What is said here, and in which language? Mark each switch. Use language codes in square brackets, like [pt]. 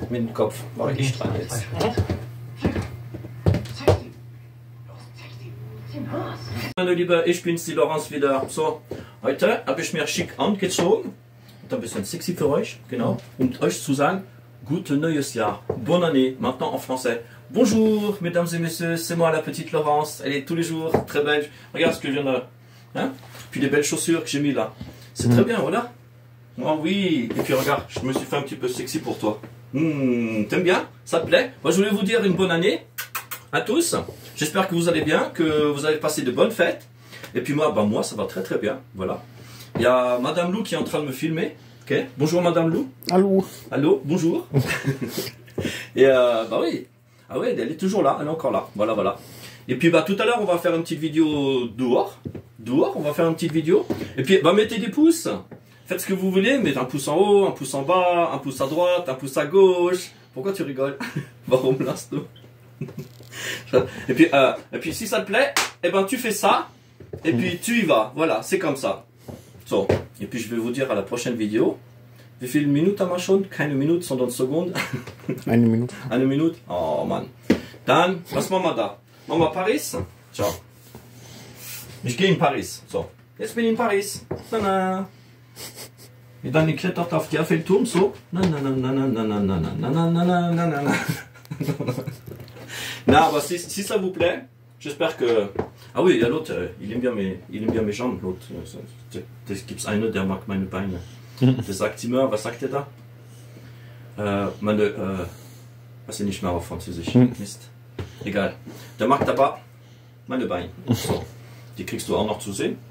[de] Mit dem Kopf war ich dran jetzt. Zeig sie. Los, zeig sie. Was? Hallo, Lieber, ich bin's, die Laurence wieder. So, heute habe ich mir schick angezogen. Und ein bisschen sexy für euch, genau. Und euch zu sagen, gute neues Jahr. [fr] Bonne année, maintenant en français. Bonjour, mesdames et messieurs, c'est moi, la petite Laurence. Elle est tous les jours très belle. Regarde ce que je viens de... Hein? Puis les belles chaussures que j'ai mis là. C'est très bien, voilà. Oh oui. Et puis regarde, je me suis fait un petit peu sexy pour toi. T'aimes bien? Ça te plaît? Moi, je voulais vous dire une bonne année à tous. J'espère que vous allez bien, que vous avez passé de bonnes fêtes. Et puis moi, ben moi, ça va très très bien. Voilà. Il y a Madame Lou qui est en train de me filmer. Ok. Bonjour Madame Lou. Allô. Allô. Bonjour. Et bah oui. Ah oui, elle est toujours là. Elle est encore là. Voilà, voilà. Et puis bah tout à l'heure, on va faire une petite vidéo dehors. Dehors, on va faire une petite vidéo. Et puis, bah, mettez des pouces. Faites ce que vous voulez. Mettez un pouce en haut, un pouce en bas, un pouce à droite, un pouce à gauche. Pourquoi tu rigoles? [de] Varum lasto. [fr] Et puis, si ça te plaît, eh ben, tu fais ça. Et puis, tu y vas. Voilà, c'est comme ça. So. Et puis, je vais vous dire à la prochaine vidéo. [de] Wie viele Minuten haben wir schon? Keine Minute, sondern Sekunde. Eine Minute. Eine Minute? Oh, Mann. Dann, was machen wir da? Machen wir Paris? Ciao. Ich gehe in Paris. So, jetzt bin ich in Paris. Na na. Und dann klettert auf den Eiffelturm so. Na na na na na na na na na na na na na na na. [fr] Na, aber si ça vous plaît, j'espère que. Ah oui, il y a l'autre. Il aime bien mes jambes. L'autre. [de] Es gibt einen, der mag meine Beine. Der sagt immer, was sagt er da? Was ist nicht mehr auf Französisch. Mist. Egal. Der mag aber meine Beine. So. Die kriegst du auch noch zu sehen.